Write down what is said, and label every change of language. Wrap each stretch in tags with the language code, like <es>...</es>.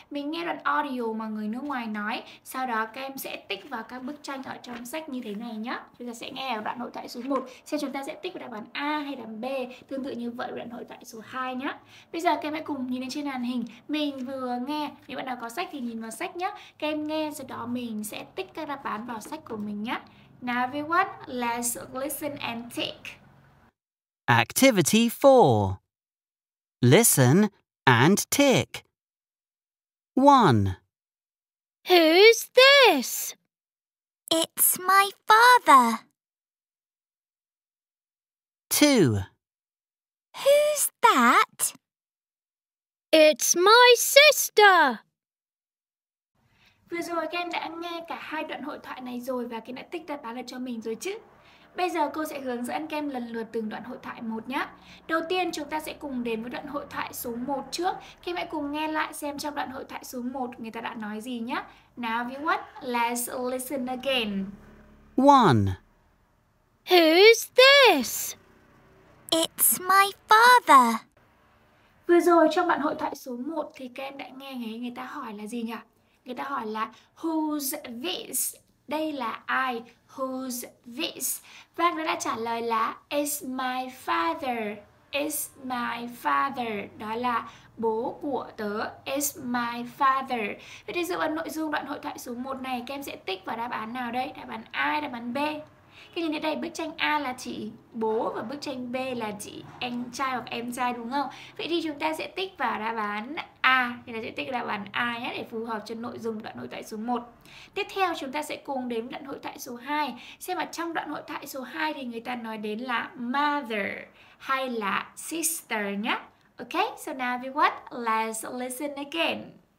<vi>Mình nghe đoạn audio mà người nước ngoài nói. Sau đó các em sẽ tick vào các bức tranh ở trong sách như thế này nhé. Chúng ta sẽ nghe ở đoạn hội thoại số 1 xem chúng ta sẽ tick vào đáp án A hay đáp án B. Tương tự như vậy đoạn hội thoại số 2 nhé. Bây giờ các em hãy cùng nhìn lên trên màn hình. Mình vừa nghe, nếu bạn nào có sách thì nhìn vào sách nhé. Các em nghe, sau đó mình sẽ tick các đáp án vào sách của mình nhé.</vi> <en>Now everyone, let's listen and tick. Activity 4. Listen and tick. 1. Who's this? It's my father. 2. Who's that? It's my sister.</en> <vi>Vừa rồi Ken đã nghe cả hai đoạn hội thoại này rồi và Ken đã tích đáp án lại cho mình rồi chứ? Bây giờ cô sẽ hướng dẫn kem lần lượt từng đoạn hội thoại một nhé. Đầu tiên chúng ta sẽ cùng đến với đoạn hội thoại số 1 trước. Kem hãy cùng nghe lại xem trong đoạn hội thoại số 1 người ta đã nói gì nhé.</vi> <en>Now everyone, let's listen again. 1. Who's this? It's my father.</en> <vi>Vừa rồi trong đoạn hội thoại số 1 thì kem đã nghe thấy người ta hỏi là gì nhỉ? Người ta hỏi là</vi> <en>who's this?</en> <vi>Đây là ai?</vi> <en>Who's this?</en> <vi>Và người ta trả lời là</vi> <en>it's my father. It's my father.</en> <vi>Đó là bố của tớ.</vi> <en>It's my father.</en> <vi>Vậy thì dựa vào nội dung đoạn hội thoại số 1 này, các em sẽ tích vào đáp án nào đây? Đáp án A, đáp án B. Các em nhìn thấy đây, bức tranh A là chị bố và bức tranh B là chị anh trai hoặc em trai đúng không? Vậy thì chúng ta sẽ tích vào đáp án A. Thì là sẽ tích đáp án A nhé để phù hợp cho nội dung đoạn hội thoại số 1. Tiếp theo chúng ta sẽ cùng đến đoạn hội thoại số 2. Xem ở trong đoạn hội thoại số 2 thì người ta nói đến là mother hay là sister nhé.</vi> <en>Ok, so now everyone, let's listen again.</en>